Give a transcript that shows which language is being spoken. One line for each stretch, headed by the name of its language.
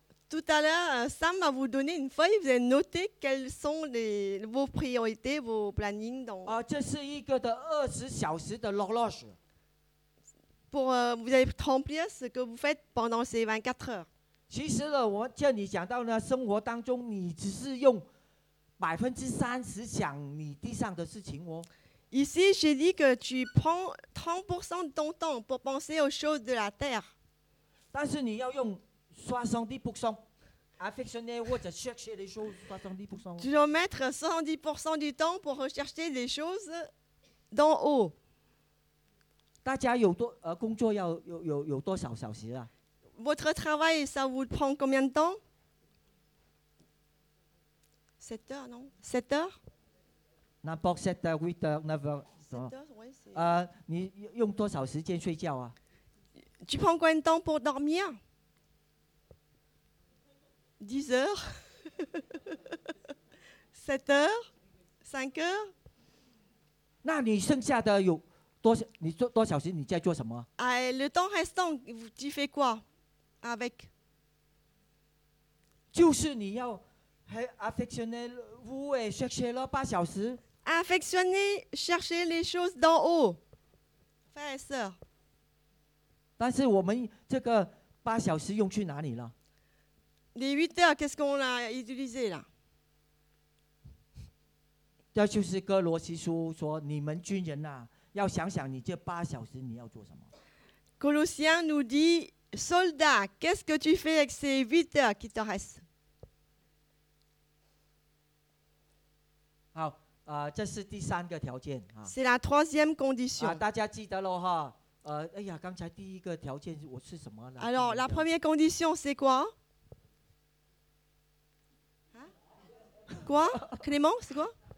French: Tout à l'heure, Sam va vous donner une feuille, vous allez noter quelles sont vos priorités, vos planning donc.
Chinese: 啊，这是一个的二十小时的
French: horloge. Pour vous allez remplir ce que vous faites pendant ces 24 heures.
Chinese: 其实呢，我这里讲到呢，生活当中你只是用。 30% 想你地上的事情哦。
French: Ici, j'ai dit que tu prends 30% de ton temps pour penser aux choses de la terre.
Chinese: 但是你要用 70%
French: affectionné
Chinese: 或者
French: chercher les choses
Chinese: 70%.
French: Tu dois mettre 70% du temps pour rechercher les choses d'en haut.
Chinese: 大家有多工作要有多少小时啊
French: ？Votre travail, ça vous prend combien de temps？ 7 heures, non? 7 heures? N'importe 7 heures, 8 heures, 9 heures. 7 heures, oui.
Chinese: 你用多少时间睡觉啊
French: ？Tu prends combien de temps pour dormir? 10 heures. 7 heures. 5 heures.
Chinese: 那你剩下的有多少？你做多少时？你在做什么
French: ？Ah, le temps restant, tu fais quoi avec?
Chinese: 就是你要。
French: 还 affectionner vous et chercher là 8 hours. Affectionner, chercher les choses d'en haut. Frère et sœur.
Chinese: 但是我们这个八小时用去哪里了
French: ？Les 8 heures, qu'est-ce qu'on a utilisé là？
Chinese: 这就是哥罗西书说，你们军人呐、啊，要想想你这八小时你要做什么。
French: Colossiens nous dit, soldat, qu'est-ce que tu fais avec ces 8 heures qui te restent？
Chinese: 好，这是第三个条件啊。
French: C'est la troisième condition。
Chinese: 大家记得喽哈，哎呀，刚才第一个条件我是什么呢
French: ？Alors, la première condition c'est quoi？ 啊 ？Quoi, Clément, c'est quoi？